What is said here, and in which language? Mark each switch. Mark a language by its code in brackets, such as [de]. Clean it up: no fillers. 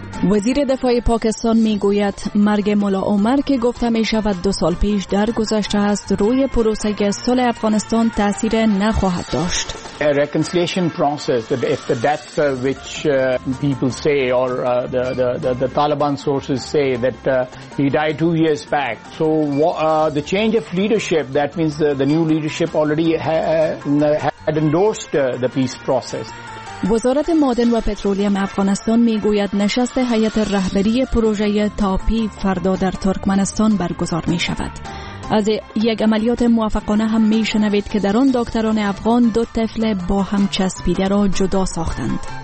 [fa] وزیر دفاع پاکستان می گوید مرگ ملا عمر که گفته می شود 2 سال پیش در گذشته است روی پروسه صلح افغانستان تأثیر نخواهد داشت. [en] A reconciliation process that if the death which people say or the Taliban sources say that he died 2 years back, so the change of leadership, that means the new leadership already had endorsed the peace process. [fa] وزارت معدن و پترولیم افغانستان میگوید نشست هیئت رهبری پروژه تاپی فردا در ترکمنستان برگزار می شود. از یک عملیات موفقانه هم می شنوید که در آن دکتران افغان 2 طفل با هم چسبیده را جدا ساختند.